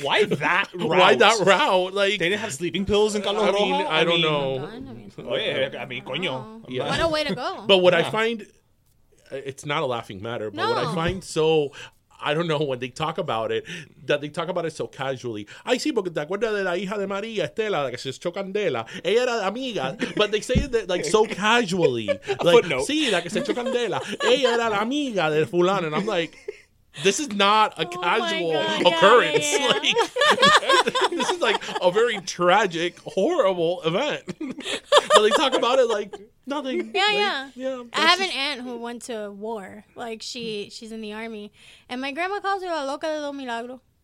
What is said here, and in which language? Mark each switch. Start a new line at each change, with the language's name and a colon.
English: why that route? Why that route? Like, they didn't have sleeping pills in Calo Roja. I don't know.
Spanish: Coño.
English: Yeah. What a way to go. But what I find, it's not a laughing matter, but what I find so, I don't know, when they talk about it, that they talk about it so casually.
Spanish: Ay, sí, porque te acuerdas de la hija de María, Estela, que se echó candela. Ella era amiga.
English: But they say it, like, so casually. Like, footnote.
Spanish: Sí, la que se echó candela. Ella era la amiga de fulano.
English: And I'm like, this is not a casual occurrence. Yeah, yeah. Like, this is, like, a very tragic, horrible event. But they talk about it like nothing. Yeah, like, yeah. I have an aunt who went to war. Like, she's in the army. And my grandma calls her La Loca de los Milagros.